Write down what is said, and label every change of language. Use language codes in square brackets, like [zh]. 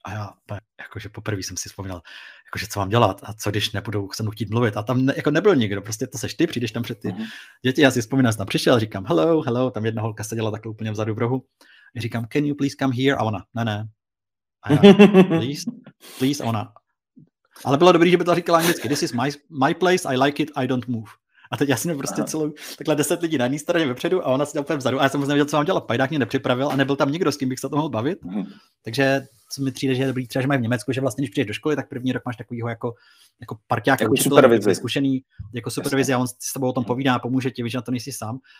[cs] A já jakože poprvé jsem si vzpomněl, jakože co mám dělat a co když nebudou se nutit mluvit. A tam jako nebyl nikdo, prostě to seš ty, přijdeš tam před ty děti. Já si vzpomínám, že tam přišel, říkám [en] hello, hello, [cs] tam jedna holka seděla takhle úplně vzadu v rohu. A říkám, [en] can you please come here? [cs] A ona, ne, ne. A já, [en] please, please, [cs] a ona. Ale bylo dobrý, že by to říkala anglicky. [en] This is my place, I like it, I don't move. [cs] A teď já jsem prostě celou takhle 10 lidí na jedné straně vepředu a ona se tam vzadu. A já jsem možná nevěděl, co mám dělat. Pajdák mě nepřipravil a nebyl tam nikdo, s kým bych se to mohl bavit. Takže co mi přijde, že je dobrý, třeba že mají v Německu, že vlastně když přijdeš do školy, tak první rok máš takovýho jako parťák, jako učitel, supervizi. Zkušený, jako supervizi, a on si s tebou o tom povídá, pomůže ti, víš, na to nejsi sám.